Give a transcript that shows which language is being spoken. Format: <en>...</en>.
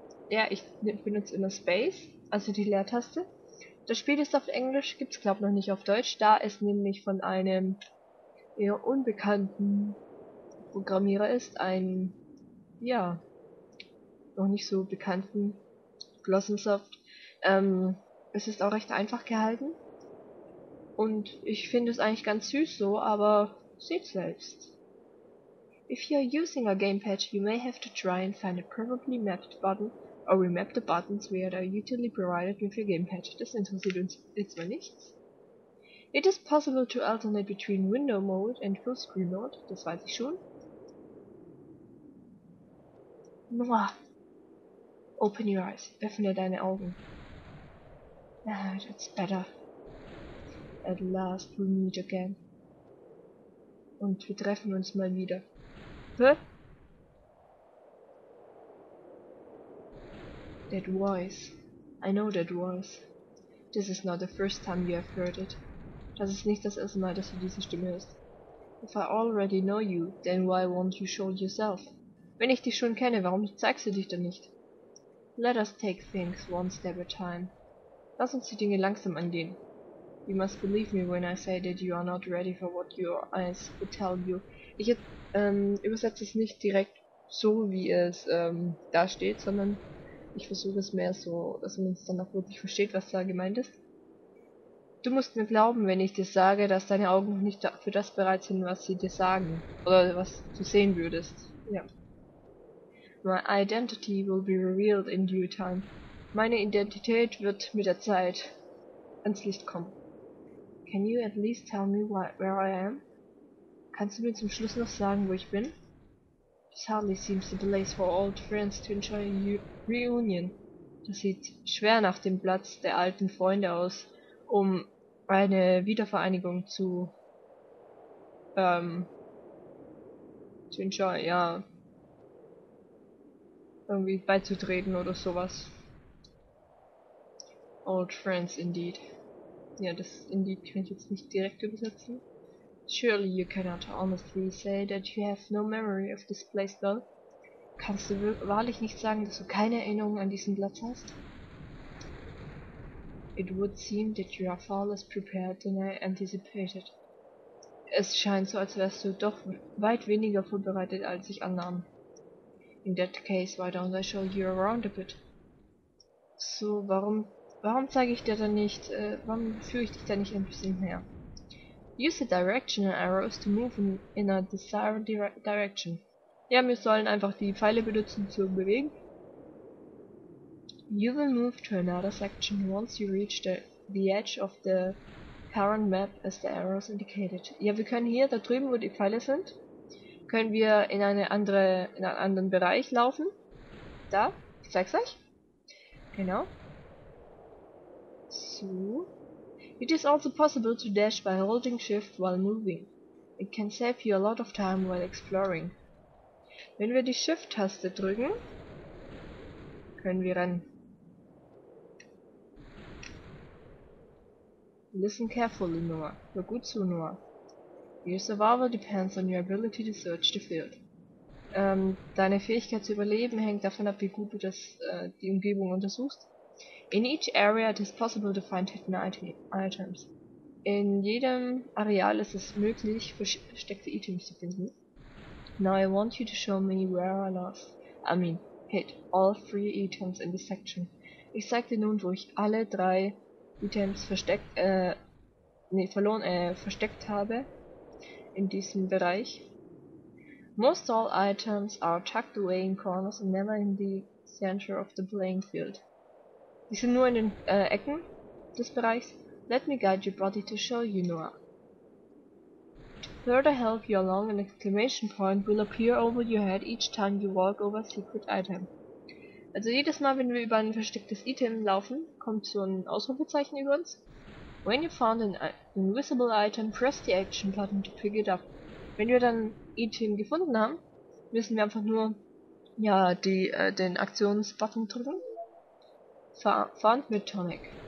<de>Ja, ich benutze immer Space, also die Leertaste. Das Spiel ist auf Englisch, gibt's glaube noch nicht auf Deutsch, da es nämlich von einem eher unbekannten Programmierer ist, noch nicht so bekannten Blossomsoft. Es ist auch recht einfach gehalten. Und ich finde es eigentlich ganz süß so, aber seht selbst.</de> <en>If you're using a gamepad, you may have to try and find a properly mapped button or remap the buttons where they're usually provided with your gamepad.</en> <de>Das interessiert uns jetzt mal nichts.</de> <en>It is possible to alternate between window mode and full screen mode.</en> <de>Das weiß ich schon.</de> <en>Noah. Open your eyes.</en> <de>Öffne deine Augen.</de> <en>Ah, that's better. At last we meet again.</en> <de>Und wir treffen uns mal wieder. Hä?</de> <en>That voice. I know that voice. This is not the first time you have heard it.</en> <de>Das ist nicht das erste Mal, dass du diese Stimme hörst.</de> <en>If I already know you, then why won't you show yourself?</en> <de>Wenn ich dich schon kenne, warum zeigst du dich dann nicht?</de> <en>Let us take things one step at a time.</en> <de>Lass uns die Dinge langsam angehen.</de> <en>You must believe me when I say that you are not ready for what your eyes will tell you.</en> <de>Ich übersetze es nicht direkt so, wie es da steht, sondern ich versuche es mehr so, dass man es dann auch wirklich versteht, was da gemeint ist. Du musst mir glauben, wenn ich dir sage, dass deine Augen noch nicht für das bereit sind, was sie dir sagen. Oder was du sehen würdest.</de> <en>Ja. My identity will be revealed in due time.</en> <de>Meine Identität wird mit der Zeit ans Licht kommen.</de> <en>Can you at least tell me where I am?</en> <de>Kannst du mir zum Schluss noch sagen, wo ich bin?</de> <en>This hardly seems the place for old friends to enjoy a reunion.</en> <de>Das sieht schwer nach dem Platz der alten Freunde aus, um eine Wiedervereinigung zu enjoy, ja. Irgendwie beizutreten oder sowas.</de> <en>Old friends indeed.</en> <de>Ja, das indeed kann ich jetzt nicht direkt übersetzen.</de> <en>Surely you cannot honestly say that you have no memory of this place though.</en> <de>Kannst du wahrlich nicht sagen, dass du keine Erinnerung an diesen Platz hast?</de> <en>It would seem that you are far less prepared than I anticipated.</en> <de>Es scheint so, als wärst du doch weit weniger vorbereitet, als ich annahm.</de> <en>In that case, why don't I show you around a bit?</en> <de>So, warum zeige ich dir dann nicht, warum führe ich dich da nicht ein bisschen her?</de> <en>Use the directional arrows to move in a desired direction.</en> <de>Ja, wir sollen einfach die Pfeile benutzen zu bewegen.</de> <en>You will move to another section once you reach the edge of the current map as the arrows indicated.</en> <de>Ja, wir können hier, da drüben, wo die Pfeile sind, können wir in eine andere, in einen anderen Bereich laufen. Da, ich zeig's euch. Genau. So.</de> <en>It is also possible to dash by holding shift while moving. It can save you a lot of time while exploring.</en> <de>Wenn wir die Shift-Taste drücken, können wir rennen.</de> <en>Listen carefully, Noah.</en> <de>Hör gut zu, Noah.</de> <en>Your survival depends on your ability to search the field.</en> <de>Deine Fähigkeit zu überleben hängt davon ab, wie gut du das, die Umgebung untersuchst.</de> <en>In each area it is possible to find hidden items.</en> <de>In jedem Areal ist es möglich, versteckte Items zu finden.</de> <en>Now I want you to show me where I lost. I mean, hit all three items in the section.</en> <de>Ich zeig dir nun, wo ich alle drei Items versteckt habe. In diesem Bereich.</de> <en>Most all items are tucked away in corners and never in the center of the playing field.</en> <de>Die sind nur in den Ecken des Bereichs.</de> <en>Let me guide your body to show you, Noah. further help you along, an exclamation point will appear over your head each time you walk over a secret item.</en> <de>Also jedes Mal, wenn wir über ein verstecktes Item laufen, kommt so ein Ausrufezeichen über uns.</de> <en>When you found an invisible item, press the action button to pick it up.</en> <de>Wenn wir dann Item gefunden haben, müssen wir einfach nur ja die den Aktionsbutton drücken.</de> <en>Found with Tonic.</en>